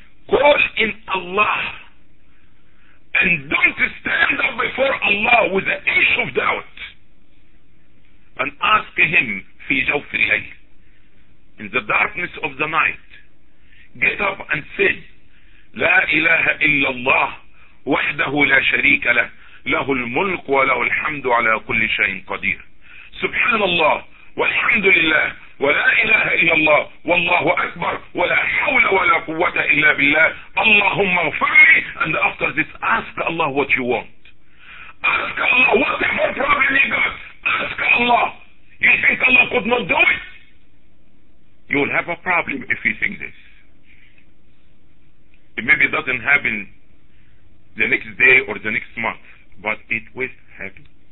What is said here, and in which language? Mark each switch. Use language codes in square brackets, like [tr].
[en] Call in Allah. And don't stand up before Allah with an inch of doubt. And ask Him, [ar] في جوف الليل, [en] in the darkness of the night, get up and say, [ar] لا إله إلا الله وحده لا شريك له، له الملك وله الحمد على كل شيء قدير. سبحان الله والحمد لله ولا إله إلا الله والله أكبر ولا حول ولا قوة إلا بالله. اللهم اغفر لي. [en] And after this, ask Allah what you want. Ask Allah what the whole problem you got. Ask Allah. You think Allah could not do it? You will have a problem if you think this. It maybe doesn't happen the next day or the next month, but it will happen.